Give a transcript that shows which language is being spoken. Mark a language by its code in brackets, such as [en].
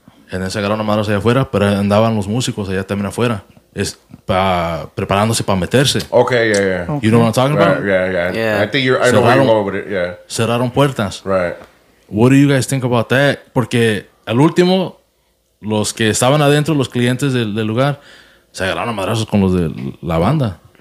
[es] En ese agarraron a madras allá afuera, pero andaban los músicos allá también afuera. Es preparándose para meterse. [en] Okay, yeah, yeah. Okay. You know what I'm talking about? Yeah. I think you're. I know where you're going with it. Yeah. [es] Cerraron puertas. [en] Right. What do you guys think about that? [es] Porque al último, los que estaban adentro, los clientes del lugar, se agarraron a madrazos con los de la banda.